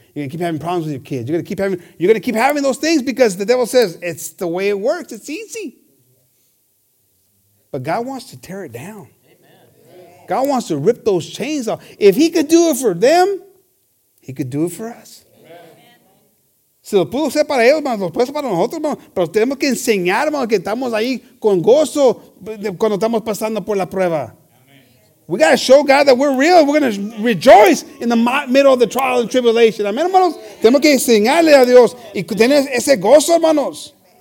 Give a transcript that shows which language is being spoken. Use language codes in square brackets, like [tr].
[en] You're going to keep having problems with your kids. You're going to keep having those things because the devil says it's the way it works. It's easy. But God wants to tear it down. Amen. God wants to rip those chains off. If he could do it for them, he could do it for us. [es] Si lo pudo hacer para ellos, lo puede hacer para nosotros, pero tenemos que enseñar, hermano, que estamos ahí con gozo cuando estamos pasando por la prueba. [en] We got to show God that we're real. We're going to rejoice in the middle of the trial and tribulation. [es] Amén, hermanos. Tenemos que enseñarle a Dios y tener ese gozo, hermanos.